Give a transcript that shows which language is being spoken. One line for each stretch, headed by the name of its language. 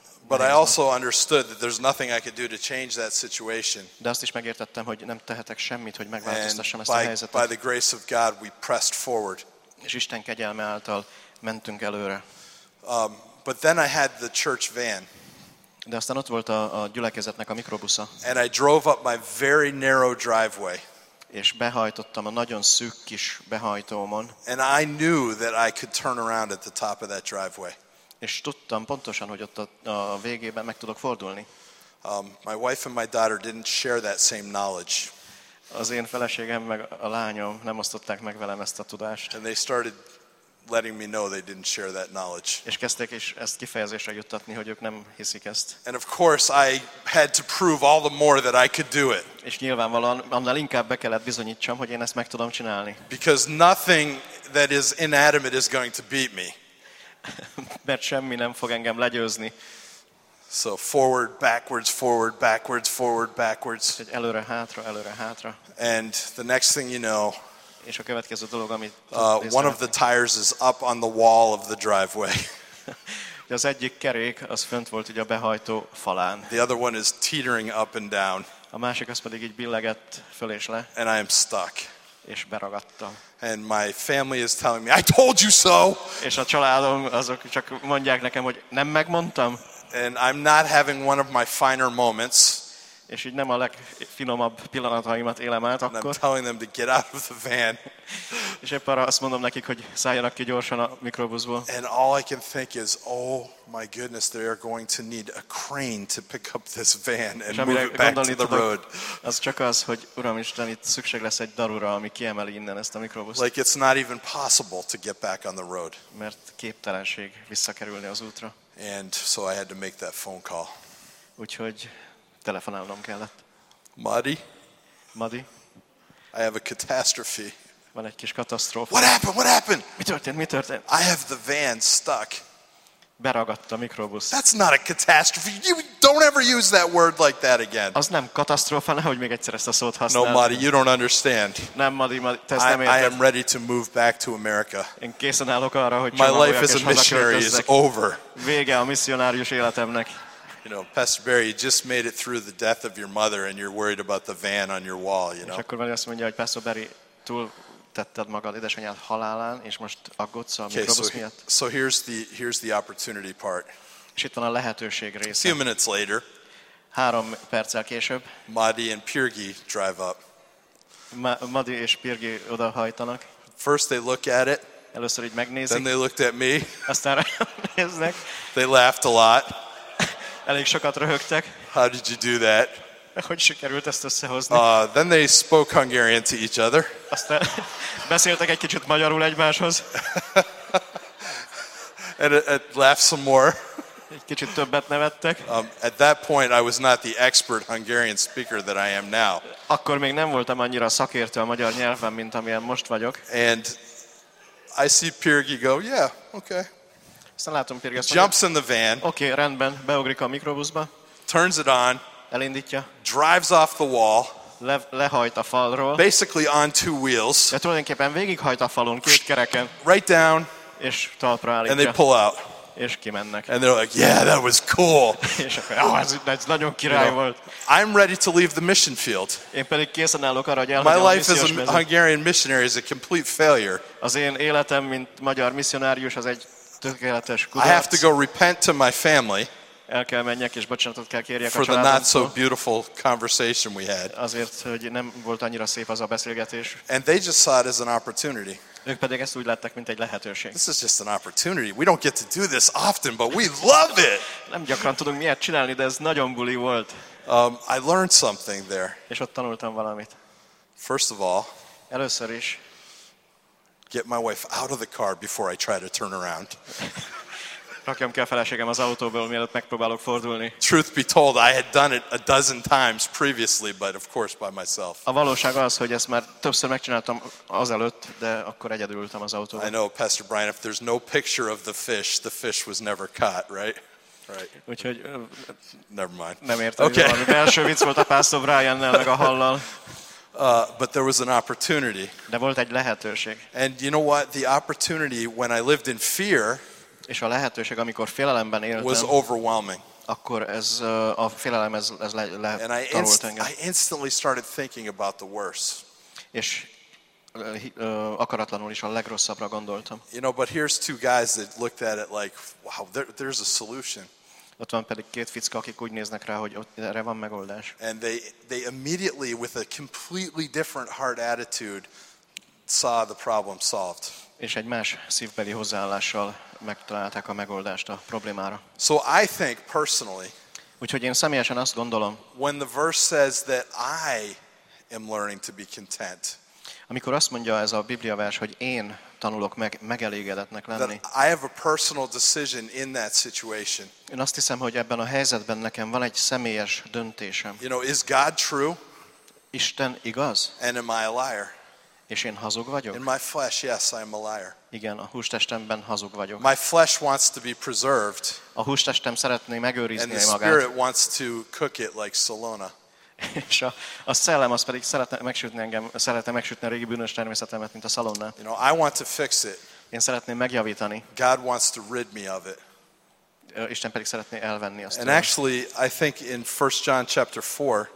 English: But I also understood that there's nothing I could do to change that situation.
Hungarian: De azt is megértettem, hogy nem tehetek semmit, hogy megváltoztassam ezt a helyzetet.
English: By the grace of God, we pressed forward.
Hungarian: És Isten kegyelme által mentünk előre.
English: But then I had the church van.
Hungarian: De aztán ott volt a gyülekezetnek a mikrobusza.
English: And I drove up my very narrow driveway.
Hungarian: És behajtottam a nagyon szűk kis behajtómon.
English: And I knew that I could turn around at the top of that driveway.
Hungarian: És tudtam pontosan, hogy ott a végében meg tudok fordulni.
English: My wife and my daughter didn't share that same knowledge.
Hungarian: Az én feleségem meg a lányom nem osztották meg velem ezt a tudást.
English: And they started letting me know they didn't share that knowledge.
Hungarian: És kezdték is ezt kifejezésre juttatni, hogy ők nem hiszik ezt.
English: And of course I had to prove all the more that I could do it.
Hungarian: És nyilvánvalóan annál inkább be kellett bizonyítsam, hogy én ezt meg tudom csinálni.
English: Because nothing that is inanimate is going to beat me.
Hungarian: Mert semmi nem fog engem legyőzni.
English: So forward, backwards, forward, backwards, forward, backwards.
Hungarian: Előre, hátra, előre, hátra.
English: And the next thing you know,
Hungarian: és a következő dolog, amit
English: one of the tires is up on the wall of the driveway.
Hungarian: Az egyik kerék az fönt volt ugye a behajtó falán.
English: The other one is teetering up and down.
Hungarian: A másik az pedig így billegett föl és le.
English: And I am stuck.
Hungarian: És beragadtam.
English: And my family is telling me, I told you so.
Hungarian: És a családom azok csak mondják nekem, hogy nem megmondtam.
English: And I'm not having one of my finer moments.
Hungarian: És így nem a legfinomabb pillanataimat élem át akkor.
English: And I'm telling them to get out of the van.
Hungarian: És épp arra azt mondom nekik, hogy szálljanak ki gyorsan a mikrobuszból.
English: And all I can think is, oh my goodness, they are going to need a crane to pick up this van and move it back to the road.
Hungarian: Az csak az, hogy Uram Isten, itt szükség lesz egy darura, ami kiemeli innen ezt a mikrobuszt.
English: Like it's not even possible to get back on the road.
Hungarian: Mert képtelenség visszakerülni az útra.
English: And so I had to make that phone call.
Hungarian: Úgyhogy telefonálnom kellett.
English: Madi. I have a catastrophe.
Hungarian: Van egy kis katasztrófa.
English: What happened?
Hungarian: Mi történt?
English: I have the van stuck.
Hungarian: beragadt a mikrobusz.
English: That's not a catastrophe. You don't ever use that word like that again.
Hungarian: Az nem katasztrófa, nehogy még egyszer ezt a szót használd.
English: No, Madi, you don't understand.
Hungarian: Nem, Madi, te ezt nem érted.
English: I am ready to move back to America.
Hungarian: Én készen állok arra, hogy
English: my life as a missionary is over.
Hungarian: Vége a misszionárius életemnek.
English: You know, Pastor Barry, you just made it through the death of your mother and you're worried about the van on your wall, you know.
Hungarian: És akkor azt mondja, hogy Pastor Barry, túl tetted magad édesanyád halálán, és most aggódsz a mikrobusz miatt.
English: So here's the opportunity part.
Hungarian: És itt van a lehetőség része.
English: A few minutes later.
Hungarian: 3 perccel később.
English: Madi and Pirgi drive up.
Hungarian: Madi és Pirgi odahajtanak.
English: First they look at it.
Hungarian: Először így megnézik.
English: Then they looked at me.
Hungarian: Aztán ránéznek.
English: They laughed a lot.
Hungarian: Elég sokat röhögtek.
English: How did you do that?
Hungarian: Hogy sikerült ezt összehozni?
English: Then they spoke Hungarian to each other.
Hungarian: Aztán beszéltek egy kicsit magyarul egymáshoz.
English: And laughed some more.
Hungarian: Egy kicsit többet nevettek.
English: At that point I was not the expert Hungarian speaker that I am now.
Hungarian: Akkor még nem voltam annyira szakértő a magyar nyelven, mint amilyen most vagyok.
English: And I see Pirgi go, yeah, okay.
Hungarian: Látom, Pirgi,
English: jumps in the van.
Hungarian: Okay, rendben, beugrik a mikrobuszba.
English: Turns it on.
Hungarian: Elindítja.
English: Drives off the wall.
Hungarian: Lehajt a falról.
English: Basically on two wheels.
Hungarian: Ja, tulajdonképpen végighajt a falon, két kereken.
English: Right down.
Hungarian: És talpra állítja.
English: And they pull out.
Hungarian: És kimennek.
English: And they're like, yeah, that was cool.
Hungarian: És akkor, ez nagyon király volt.
English: I'm ready to leave the mission field.
Hungarian: Én pedig készen állok arra, hogy
English: my life as a Hungarian missionary is a complete failure.
Hungarian: Az én életem, mint magyar misszionárius, az egy tökéletes kudarc.
English: I have to go repent to my family.
Hungarian: El kell menjek és bocsánatot kell kérjek a családomtól.
English: For the not so beautiful conversation we had.
Hungarian: Azért, hogy nem volt annyira szép az a beszélgetés.
English: And they just saw it as an opportunity.
Hungarian: Ők pedig ezt úgy látták, mint egy lehetőség.
English: This is just an opportunity. We don't get to do this often, but we love it.
Hungarian: Nem gyakran tudunk miért csinálni, de ez nagyon buli volt.
English: I learned something there.
Hungarian: És ott tanultam valamit.
English: First of all.
Hungarian: Először is.
English: Get my wife out of the car before I try to turn around.
Hungarian: Rakjam ki a feleségem az autóból, mielőtt megpróbálok fordulni.
English: Truth be told, I had done it a dozen times previously, but of course by myself.
Hungarian: A valóság az, hogy ezt már többször megcsináltam azelőtt, de akkor egyedül ültem az autóban.
English: I know, Pastor Brian, if there's no picture of the fish was never caught, right? Right.
Hungarian: Úgyhogy,
English: never mind.
Hungarian: Nem értem, okay. Valami belső vicc volt a Pastor Brian-nel meg a hallal.
English: But there was an opportunity.
Hungarian: De volt egy lehetőség.
English: And you know what? The opportunity, when I lived in fear,
Hungarian: és a lehetőség, amikor félelemben éltem,
English: was overwhelming.
Hungarian: Akkor ez a félelem ez letarolt engem.
English: I instantly started thinking about the worst.
Hungarian: És akaratlanul is a legrosszabbra gondoltam.
English: You know, but here's two guys that looked at it like, wow, there's a solution.
Hungarian: Ott van pedig két fickó, akik úgy néznek rá, hogy ott erre van megoldás.
English: And they immediately, with a completely different heart attitude, saw the problem solved.
Hungarian: És egy más szívbeli hozzáállással megtalálták a megoldást a problémára.
English: So I think personally.
Hungarian: Úgyhogy én személyesen azt gondolom.
English: When the verse says that I am learning to be content.
Hungarian: Amikor azt mondja ez a Biblia vers, hogy én tanulok meg megelégedetnek lenni.
English: That I have a personal decision in that situation.
Hungarian: Én azt hiszem, hogy ebben a helyzetben nekem van egy személyes döntésem.
English: You know, is God true?
Hungarian: Isten igaz?
English: And am I a liar?
Hungarian: És én hazug vagyok?
English: In my flesh, yes, I am a liar.
Hungarian: Igen, a hústestemben hazug vagyok.
English: My flesh wants to be preserved.
Hungarian: A hústestem szeretné megőrizni magát.
English: And the spirit wants to cook it like Salona.
Hungarian: És a szellem az pedig szeretne megsütni a régi bűnös természetemet, mint a Salona.
English: You know, I want to fix it.
Hungarian: Én szeretném megjavítani.
English: God wants to rid me of it.
Hungarian: Isten pedig szeretné elvenni azt.
English: And actually, I think in 1 John chapter 4.